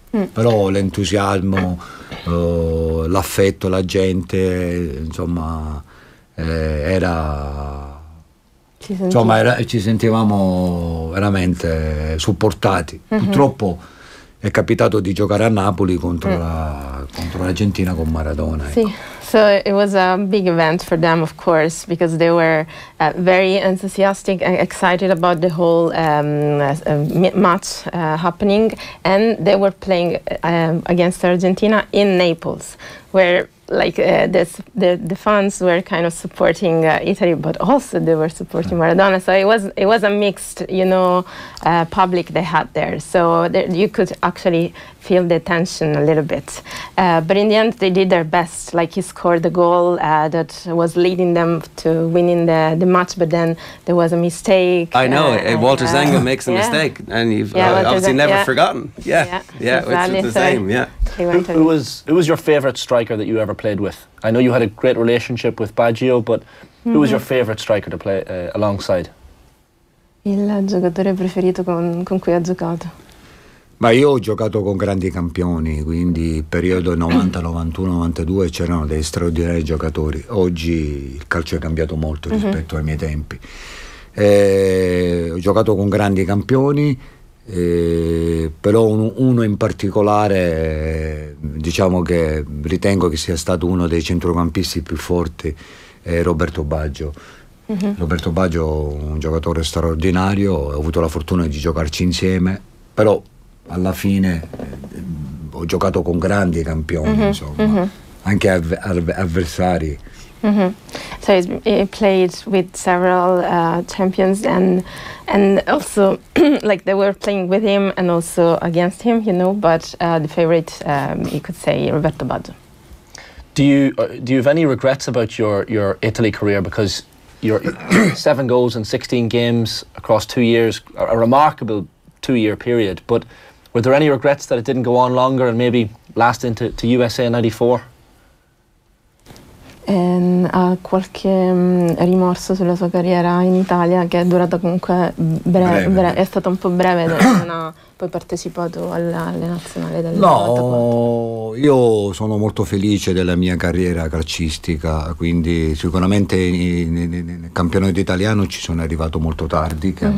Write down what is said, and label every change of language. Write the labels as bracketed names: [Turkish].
[Italian] Però l'entusiasmo, l'affetto, la gente, insomma, era. Ci sentivamo veramente supportati. Mm-hmm. Purtroppo è capitato di giocare a Napoli contro l'Argentina con Maradona. Sì, ecco. [English] So it was a big event for them, of course, because they were very enthusiastic and excited about the whole match happening, and they were playing against Argentina in Naples, where like the fans were kind of supporting Italy, but also they were supporting Maradona. So it was a mixed, you know, public they had there. So you could actually feel the tension a little bit. But in the end, they did their best. Like he scored the goal that was leading them to winning the match. But then there was a mistake. I know. Walter Zenga makes a mistake, and you've obviously never forgotten. Who was your favorite striker that you ever played with? I know you had a great relationship with Baggio, but mm-hmm. who was your favorite striker to play alongside? [Italian] Il giocatore preferito con cui ha giocato. Ma io ho giocato con grandi campioni, quindi periodo 90-91-92 c'erano dei straordinari giocatori. Oggi il calcio è cambiato molto rispetto mm-hmm. ai miei tempi. Ho giocato con grandi campioni. Però uno in particolare, diciamo che ritengo che sia stato uno dei centrocampisti più forti, è Roberto Baggio. Mm-hmm. Roberto Baggio è un giocatore straordinario, ho avuto la fortuna di giocarci insieme, però alla fine ho giocato con grandi campioni, mm-hmm. insomma, mm-hmm. anche avversari. Mm-hmm. [English] So he played with several champions and also like they were playing with him and also against him, you know, but the favorite you could say Roberto Baggio. Do you have any regrets about your Italy career, because your 7 goals in 16 games across 2 years, a remarkable 2 year period, but were there any regrets that it didn't go on longer and maybe last into USA 94? [Italian] Ha qualche rimorso sulla sua carriera in Italia, che è durata comunque breve. È stata un po' breve, non ha poi partecipato alle nazionali del 94. No, io sono molto felice della mia carriera calcistica, quindi sicuramente nel campionato italiano ci sono arrivato molto tardi, che mm-hmm.